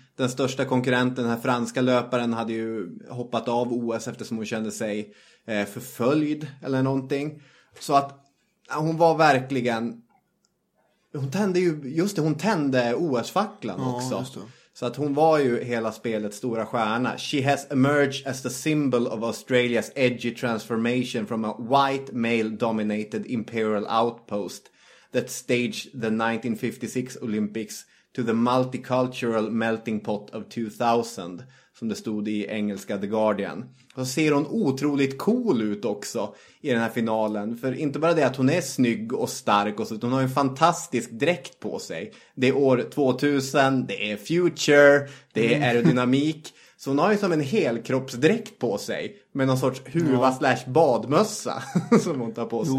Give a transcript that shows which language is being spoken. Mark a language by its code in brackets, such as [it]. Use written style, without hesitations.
[sv] Den största konkurrenten, den här franska löparen, hade ju hoppat av OS eftersom hon kände sig förföljd eller någonting. Så att hon var verkligen, hon tände OS-facklan också. Just det. Så att hon var ju hela spelets stora stjärna. [en] She has emerged as the symbol of Australia's edgy transformation from a white male-dominated imperial outpost that staged the 1956 Olympics to the multicultural melting pot of 2000, [sv] som det stod i engelska The Guardian. Och så ser hon otroligt cool ut också i den här finalen. För inte bara det att hon är snygg och stark och så, hon har en fantastisk dräkt på sig. Det är år 2000, det är future, det är aerodynamik. Så hon har ju som en helkroppsdräkt på sig. Med någon sorts huva / badmössa som hon tar på sig.